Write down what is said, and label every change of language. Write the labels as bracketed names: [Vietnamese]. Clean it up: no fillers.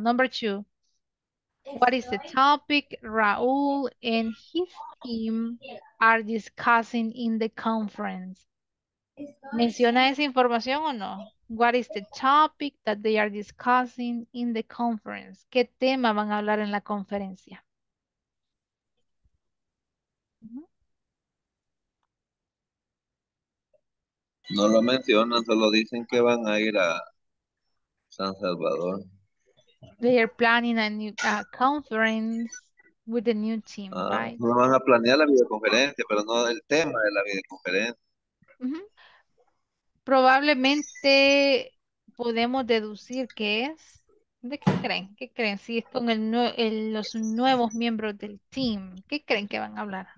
[English] Number two, what is the topic Raúl and his team are discussing in the conference? [Spanish] ¿Menciona esa información o no? [English] What is the topic that they are discussing in the conference? [Spanish] ¿Qué tema van a hablar en la conferencia? No lo mencionan, solo dicen que van a ir a San Salvador. [English] They are planning a new conference with a new team, right? [Spanish] No van a planear la videoconferencia, pero no el tema de la videoconferencia. Probablemente podemos deducir que es. ¿De qué creen? ¿Qué creen? Si es con los nuevos miembros del team, ¿qué creen que van a hablar?